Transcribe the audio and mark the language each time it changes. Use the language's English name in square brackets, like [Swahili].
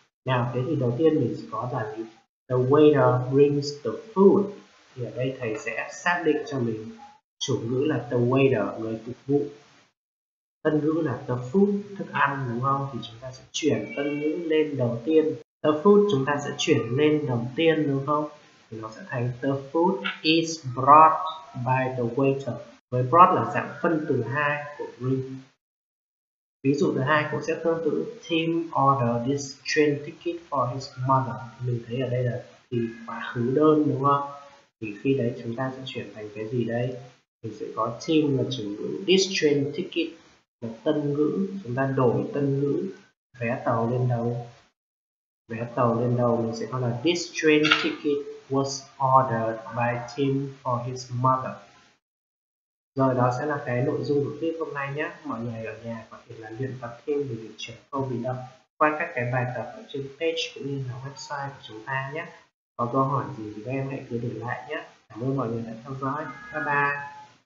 [Vietnamese] Nào, thế thì đầu tiên mình sẽ có là [English] the waiter brings the food. [Vietnamese] Thì ở đây thầy sẽ xác định cho mình chủ ngữ là the waiter, người phục vụ. Tân ngữ là the food, thức ăn, đúng không? Thì chúng ta sẽ chuyển tân ngữ lên đầu tiên. The food chúng ta sẽ chuyển lên đầu tiên, đúng không? Thì nó sẽ thành [English] the food is brought by the waiter. [Vietnamese] Với brought là dạng phân từ 2 của bring. Ví dụ thứ hai cũng sẽ tương tự. [English] Tim ordered this train ticket for his mother. [Vietnamese] Mình thấy ở đây là thì quá khứ đơn, đúng không? Thì khi đấy chúng ta sẽ chuyển thành cái gì đây? Thì sẽ có Tim là chủ ngữ, this train ticket là tân ngữ, chúng ta đổi tân ngữ vé tàu lên đầu. Vé tàu lên đầu mình sẽ có là [English] this train ticket was ordered by Tim for his mother. [Vietnamese] Rồi đó sẽ là cái nội dung của tiết hôm nay nhé. Mọi người ở nhà có thể là luyện tập thêm để mình chuyển câu bị động qua các cái bài tập ở trên page cũng như là website của chúng ta nhé. Có câu hỏi gì thì các em hãy cứ để lại nhé. Cảm ơn mọi người đã theo dõi. Bye bye.